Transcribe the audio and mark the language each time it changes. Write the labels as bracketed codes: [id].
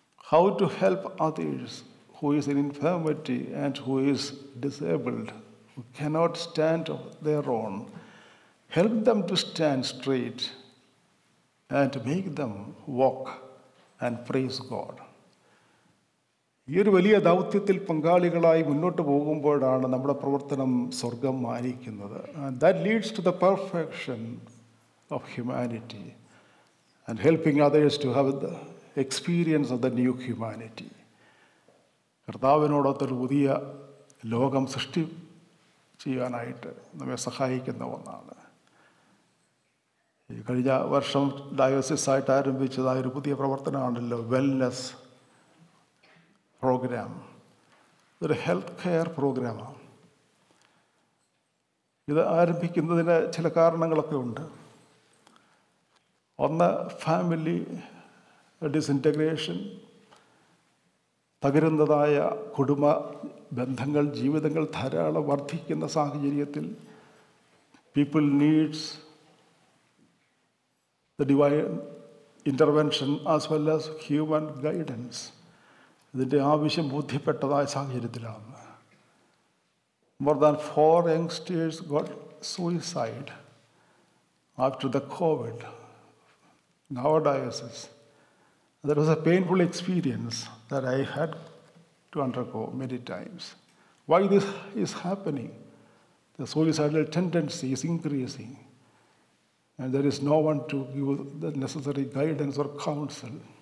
[en] How to help others who is in infirmity and who is disabled, who cannot stand their own, help them to stand straight and make them walk and praise God. [ml] ഈ ഒരു വലിയ ദൗത്യത്തിൽ പങ്കാളികളായി മുന്നോട്ട് പോകുമ്പോഴാണ് നമ്മുടെ പ്രവർത്തനം സ്വർഗം മാനിക്കുന്നത്. [en] That leads to the perfection of humanity and helping others to have the experience of the new humanity. [ml] കർത്താവിനോടൊത്ത ഒരു പുതിയ ലോകം സൃഷ്ടി ചെയ്യാനായിട്ട് നമ്മെ സഹായിക്കുന്ന ഒന്നാണ്. ഈ കഴിഞ്ഞ വർഷം ഡയോസിസ് ആയിട്ട് ആരംഭിച്ചതായ ഒരു പുതിയ പ്രവർത്തനമാണല്ലോ വെൽനെസ് പ്രോഗ്രാം. ഇതൊരു ഹെൽത്ത് കെയർ പ്രോഗ്രാമാണ്. ഇത് ആരംഭിക്കുന്നതിന് ചില കാരണങ്ങളൊക്കെ ഉണ്ട്. ഒന്ന്, ഫാമിലി ഡിസിൻറ്റഗ്രേഷൻ, തകരുന്നതായ കുടുംബ ബന്ധങ്ങൾ, ജീവിതങ്ങൾ ധാരാളം വർദ്ധിക്കുന്ന സാഹചര്യത്തിൽ [en] People needs the divine intervention as well as human guidance. [ml] ഇതിൻ്റെ ആവശ്യം ബോധ്യപ്പെട്ടതായ സാഹചര്യത്തിലാണ് [en] More than 4 youngsters got suicide after the Covid. Our diocese, there was a painful experience that I had to undergo many times. Why this is happening? The suicidal tendency is increasing and there is no one to give the necessary guidance or counsel.